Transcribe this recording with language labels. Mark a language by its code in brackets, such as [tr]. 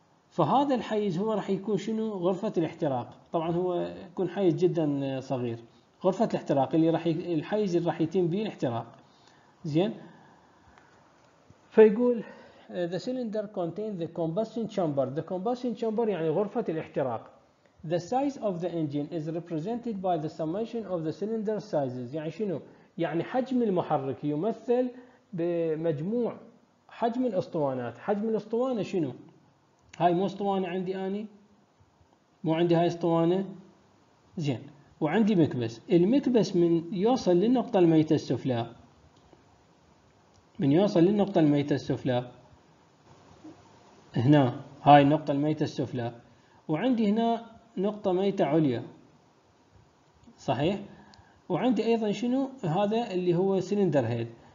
[ar] فهذا الحيز هو راح يكون شنو؟ غرفة الاحتراق. طبعا هو يكون حيز جدا صغير غرفة الاحتراق اللي راح الحيز اللي راح يتم به الاحتراق. زين فيقول [en] the cylinder contains the combustion chamber. [ar] The combustion chamber يعني غرفة الاحتراق. [en] The size of the engine is represented by the summation of the cylinder sizes. [ar] يعني شنو؟ يعني حجم المحرك يمثل بمجموع حجم الاسطوانات. حجم الاسطوانة شنو؟ هاي مو اسطوانة عندي اني؟ مو عندي هاي اسطوانة؟ زين وعندي مكبس. المكبس من يوصل للنقطة الميتة السفلى، من يوصل للنقطة الميتة السفلى هنا، هاي النقطة الميتة السفلى، وعندي هنا نقطة ميتة عليا، صحيح؟ وعندي أيضا شنو هذا اللي هو سلندر هيد.